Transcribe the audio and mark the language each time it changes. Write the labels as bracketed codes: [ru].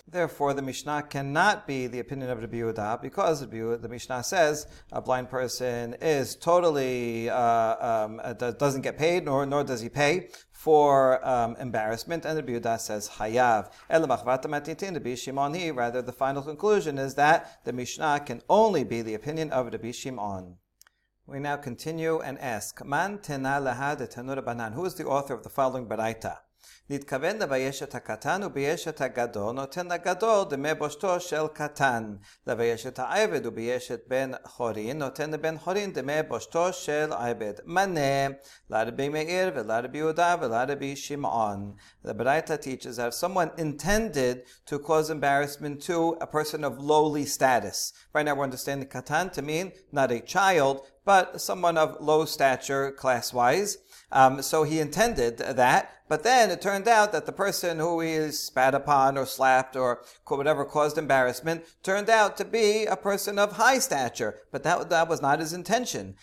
[en] Therefore, the Mishnah cannot be the opinion of Rabbi Yehuda, because the Mishnah says a blind person is totally doesn't get paid, nor does he pay for embarrassment, and Rabbi Yehuda says hayav. [arc] El machvata matitin Rabbi Shimon hi. [en] Rather, the final conclusion is that the Mishnah can only be the opinion of Rabbi Shimon. We now continue and ask, [arc] man tena lehad tenur banan. [en] Who is the author of the following baraita? [he] נתכוון לבייש את הקטן ובייש את הגדול, נותן לגדול דמי בושתו של קטן. לבייש את העבד ובייש את בן חורין, נותן לבן חורין דמי בושתו של עבד. מנה לרבי מאיר ולרבי יהודה ולרבי שמעון. [en] The Braita teaches that if someone intended to cause embarrassment to a person of lowly status, right now we're understanding katan to mean not a child, but someone of low stature class-wise. So he intended that, but then it turned out that the person who he spat upon or slapped or whatever caused embarrassment turned out to be a person of high stature, but that was not his intention.